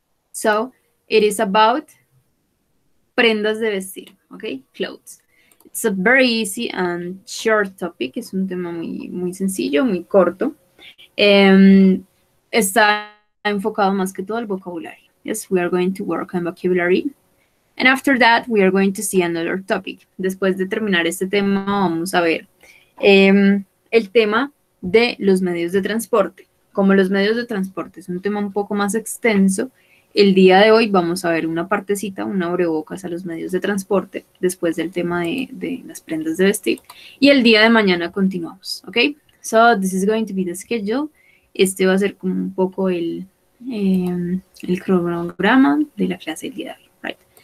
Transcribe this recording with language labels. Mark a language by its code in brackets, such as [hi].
[en] So, it is about [es] prendas de vestir, [en] okay? Clothes. It's a very easy and short topic. [es] Es un tema muy, muy sencillo, muy corto. Está enfocado más que todo al vocabulario. [en] Yes, we are going to work on vocabulary. And after that, we are going to see another topic. [es] Después de terminar este tema, vamos a ver el tema de los medios de transporte. Como los medios de transporte es un tema un poco más extenso, el día de hoy vamos a ver una partecita, una abrebocas a los medios de transporte, después del tema de las prendas de vestir. Y el día de mañana continuamos, ¿ok? [en] So, this is going to be the schedule. [es] Este va a ser como un poco el cronograma de la clase del día de hoy, right?